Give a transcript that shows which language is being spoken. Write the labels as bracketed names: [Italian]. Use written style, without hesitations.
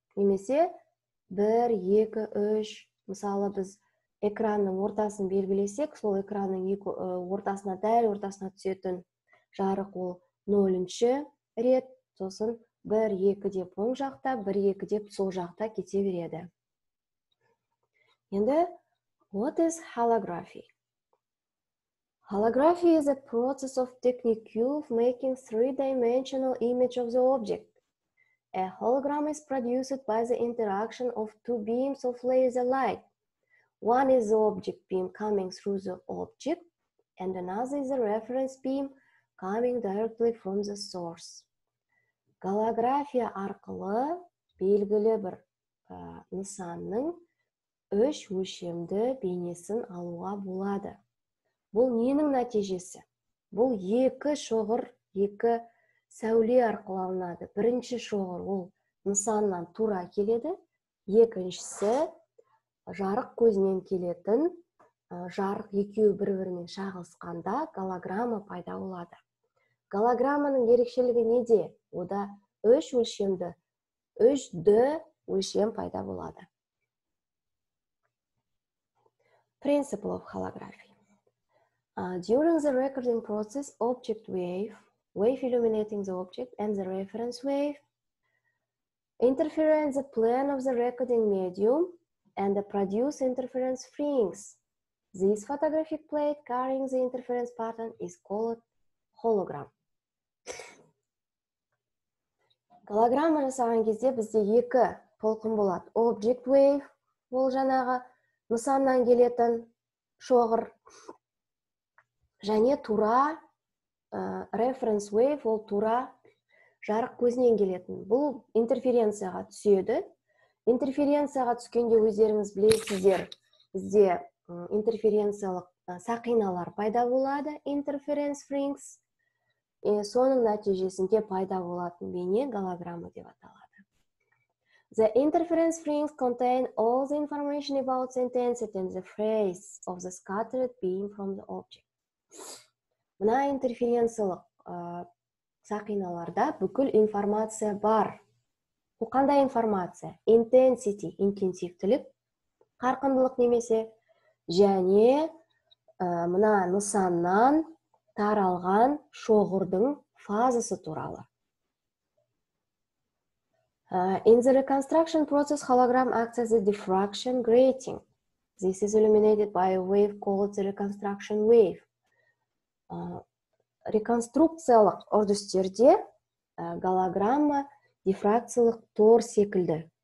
[Kazakh] Немесе 1, 2, 3. Мысалы біз экранның ортасын белгілесек, сол экранның ортасына түсетін жарық ол 0-ші рет, сосын 1, 2 деп оң жақта, 1, 2 деп сол жақта кете береді. Енді [English] what is holography? Holography is a process of technique of making three-dimensional image of the object. A hologram is produced by the interaction of two beams of laser light. One is the object beam coming through the object, and another is a reference beam coming directly from the source. [Kazakh] Голография арқылы белгілі бір нысанның үш өлшемді бейнесін алуға болады. Бұл ненің нәтижесі? Бұл екі шоғыр, екі сәуле арқылы алынады. Бірінші шоғыр ол нысаннан тура келеді. Екіншісі жарық көзінен келетін жарық екеу бір-бірінен шағылысқанда голограмма пайда болады. Голограмманың ерекшелігі неде? Ода үш өлшемді, үш ді өлшем пайда болады. [English] Principle of holography. During the recording process, object wave, wave illuminating the object and the reference wave, interfere in the plane of the recording medium and produce interference frames. This photographic plate carrying the interference pattern is called hologram. [Kazakh] Голограмма жасаған кезде бізде екі толқын болады. Object wave, ол жаңағы нысаннан келетін шоғыр. Және тура reference wave, ол тура жарық көзінен келетін. Бұл интерференцияға түседі. Интерференцияға түскенде өздеріңіз білесіздер, бізде интерференциялық сақиналар пайда болады, interference frames. Соның нәтижесінде пайда болатын бейне голограмма деп аталады. [English] The interference frames contain all the information about the intensity and the phase of the scattered beam from the object. [Kazakh] Мына интерференциялық сақиналарда бүкіл информация бар. Бұл қандай информация? Intensity, интенсивтілік, қарқындылық немесе, және мына нысаннан таралған шоғырдың фазасы туралы. [English] In the reconstruction process, hologram acts as a diffraction grating. This is illuminated by a wave called the reconstruction wave. [Kazakh] Реконструкциялық үрдістерде голограмма дифракциялық тор секілді.